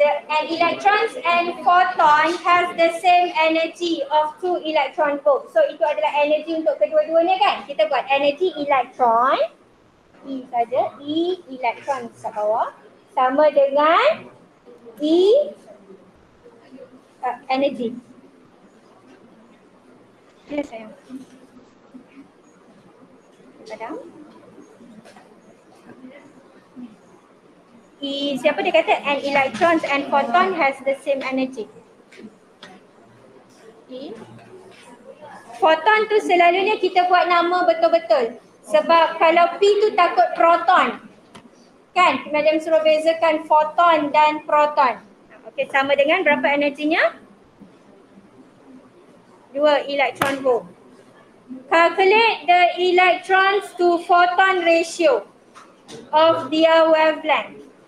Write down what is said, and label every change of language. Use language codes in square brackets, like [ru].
[en] An electron and photon has the same energy of two electron volts. [ms] So itu adalah energy untuk kedua-duanya kan? Kita buat energy electron. E saja. E electron kat bawah. Sama dengan E energy. Ya sayang. Padam. E, siapa dia kata [en] an electron and photon has the same energy? [ms] E. Photon tu selalunya kita buat nama betul-betul. Sebab kalau P tu takut proton. Kan? Macam suruh bezakan photon dan proton. Okey, sama dengan berapa energinya? 2 electron volt. [en] Calculate the electrons to photon ratio of their wavelength.